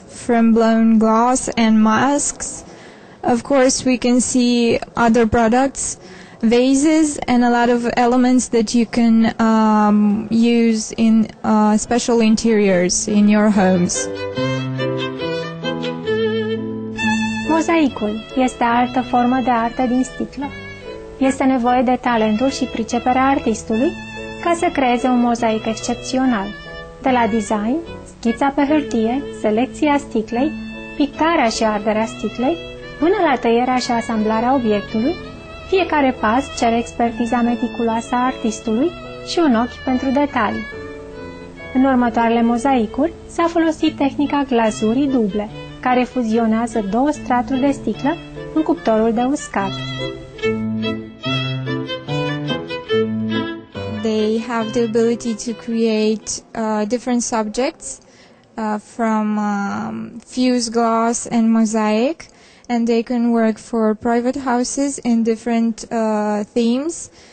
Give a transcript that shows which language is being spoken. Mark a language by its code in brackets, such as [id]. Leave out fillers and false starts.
[en] from blown glass and masks. Of course, we can see other products, vases, and a lot of elements that you can use in special interiors in your homes. [ro] Mozaicul este altă formă de artă din sticlă. Este nevoie de talentul și priceperea artistului ca să creeze un mozaic excepțional. De la design, schița pe hârtie, selecția sticlei, pictarea și arderea sticlei, până la tăierea și asamblarea obiectului, fiecare pas cere expertiza meticuloasă a artistului și un ochi pentru detalii. În următoarele mozaicuri s-a folosit tehnica glazurii duble, care fuzionează două straturi de sticlă în cuptorul de uscat. [en] They have the ability to create different subjects from fused glass and mosaic, and they can work for private houses in different themes.